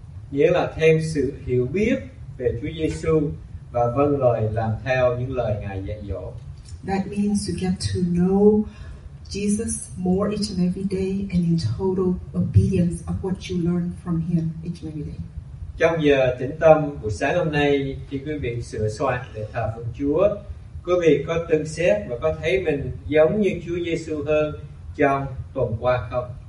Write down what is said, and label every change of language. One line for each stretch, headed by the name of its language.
Vietnamese: Nghĩa là thêm sự hiểu biết về Chúa Giêsu và vâng lời làm theo những lời Ngài dạy dỗ.
English: That means to get to know Jesus more each and every day and in total obedience of what you learn from him each and every day.
Vietnamese: Trong giờ tĩnh tâm buổi sáng hôm nay, khi quý vị sửa soạn để thờ phượng Chúa, quý vị có từng xét và có thấy mình giống như Chúa Giêsu hơn trong tuần qua không?